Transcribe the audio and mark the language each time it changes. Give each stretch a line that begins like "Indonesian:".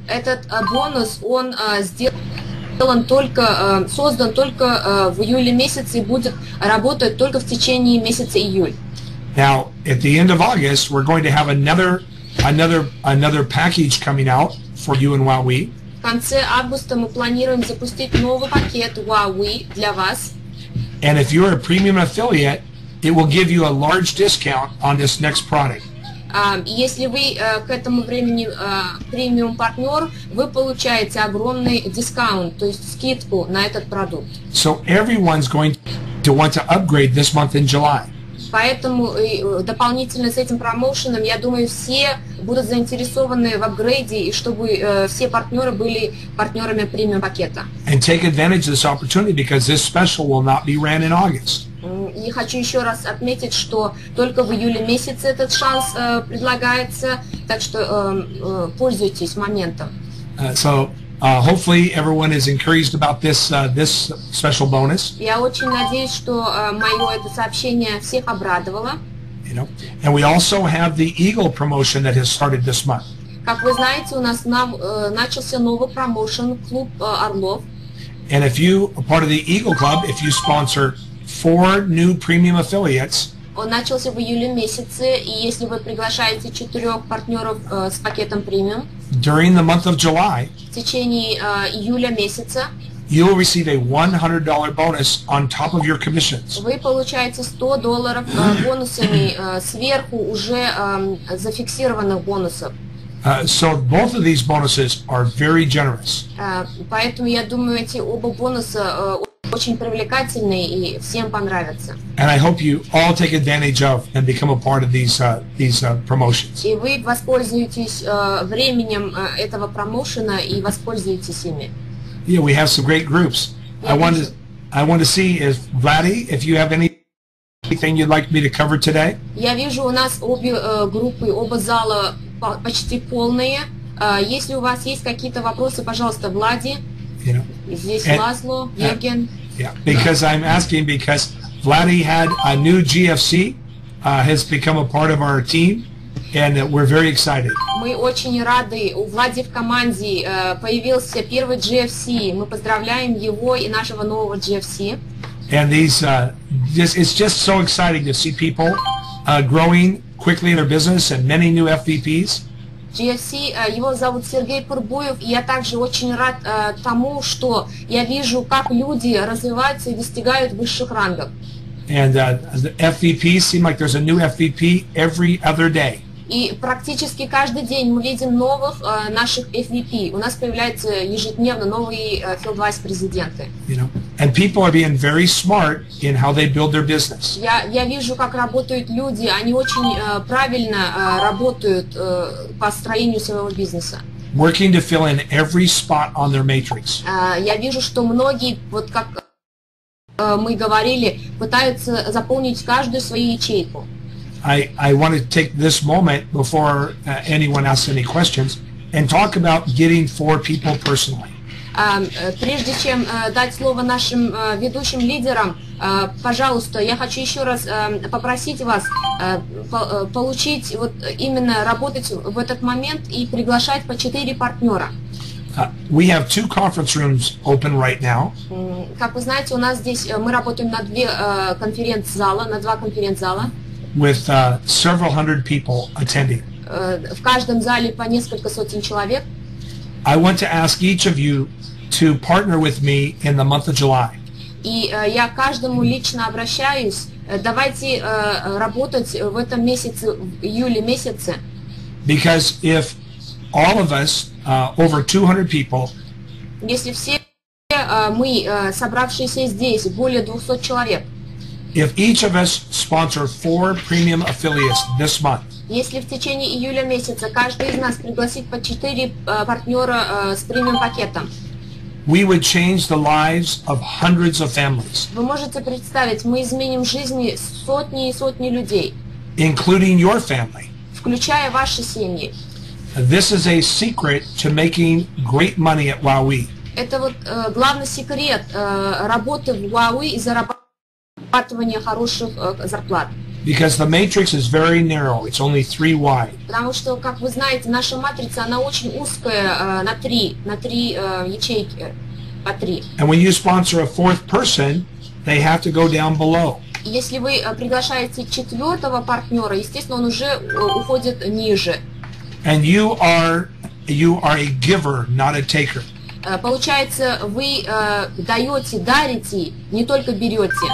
Russian: Этот бонус, он сделан только создан только в июле месяце и будет работать только в течение месяца июль.
English: Now, at the end of August, we're going to have another package coming out for you and Huawei.
Russian: В конце августа мы планируем запустить новый пакет Huawei для вас.
English: And if you're a premium affiliate, it will give you a large discount on this next product.
Russian: Если вы к этому времени премиум партнер, вы получаете огромный дискаунт, то есть скидку на этот продукт.
English: So everyone's going to want to upgrade this month in July.
Russian: Поэтому дополнительно с этим промоушеном, я думаю, все будут заинтересованы в апгрейде, и чтобы все партнеры были партнерами премиум пакета.
English: And take advantage of this opportunity because this special will not be ran in August.
Russian: Я хочу еще раз отметить, что только в июле месяце этот шанс предлагается, так что пользуйтесь моментом.
English: Hopefully everyone is encouraged about this special bonus.
Russian: Я очень надеюсь, что мое это сообщение всех обрадовало.
English: You know, and we also have the Eagle promotion that has started this month.
Russian: Как вы знаете, у нас начался новый промоушен клуб Орлов.
English: And if you are part of the Eagle Club, if you sponsor four new premium affiliates.
Russian: начался в июле месяце, и если вы приглашаете четырех партнеров с пакетом премиум,
English: during the month of July,
Russian: в течение июля месяца,
English: you will receive a $100 bonus on top of your commissions.
Russian: Вы получаете $100 бонусами сверху уже зафиксированных бонусов.
English: So both of these bonuses are very generous.
Russian: Поэтому я думаю, эти оба бонуса очень привлекательные и всем понравятся.
English: And I hope you all take advantage of and become a part of these promotions.
Russian: И вы воспользуетесь временем этого промоушена и воспользуетесь ими.
English: Yeah, we have some great groups. I want to see if Vladdy, if you have anything you'd like me to cover today.
Russian: Я вижу, у нас обе группы, оба зала почти полные. Если у вас есть какие-то вопросы, пожалуйста, Влади. Здесь Лазло, Йоген.
English: Yeah, because I'm asking because Vladdy had a new GFC, has become a part of our team. And we're very excited.
Russian: Мы очень рады. У Влади в команде появился первый GFC. Мы поздравляем его и нашего нового GFC.
English: And these it's just so exciting to see people growing quickly in their business and many new FVPs.
Russian: GFC, его зовут Сергей Пурбуев, и я также очень рад тому, что я вижу, как люди развиваются и достигают высших рангов.
English: And the FVPs seem like there's a new FVP every other day.
Russian: И практически каждый день мы видим новых наших FVP. У нас появляются ежедневно новые Field Vice Президенты.
English: You know, and people are being very smart in how they build their business.
Russian: Я вижу, как работают люди. Они очень правильно работают по строению своего бизнеса.
English: Working to fill in every spot on their matrix.
Russian: Я вижу, что многие, вот как мы говорили, пытаются заполнить каждую свою ячейку.
English: I want to take this moment before anyone asks any questions and talk about getting four people personally.
Russian: Прежде чем дать слово нашим ведущим лидерам, пожалуйста, я хочу еще раз попросить вас получить вот именно работать в этот момент и приглашать по четыре партнера.
English: We have two conference rooms open right now.
Russian: Как вы знаете, у нас здесь мы работаем на два конференц-зала.
English: With several hundred people attending.
Russian: В каждом зале по несколько сотен человек.
English: I want to ask each of you to partner with me in the month of July.
Russian: И я каждому лично обращаюсь, давайте работать в этом месяце, в июле месяце.
English: Because if all of us, over 200 people,
Russian: если все мы, собравшиеся здесь, более 200 человек,
English: if each of us sponsor four premium affiliates this month,
Russian: если в течение июля месяца каждый из нас пригласит по четыре партнера с премиум пакетом,
English: we would change the lives of hundreds of families.
Russian: Вы можете представить, мы изменим жизни сотни и сотни людей,
English: including your family,
Russian: включая ваши семьи.
English: This is a secret to making great money at Huawei.
Russian: Это вот главный секрет работы в Huawei и зарабатывания хороших зарплат.
English: Because the matrix is very narrow, it's only three wide.
Russian: Потому что, как вы знаете, наша матрица, она очень узкая, на три ячейки, по три.
English: And when you sponsor a fourth person, they have to go down below.
Russian: Если вы приглашаете четвертого партнера, естественно, он уже уходит ниже.
English: And you are a giver, not a taker.
Russian: Получается, вы даете, дарите, не только берете.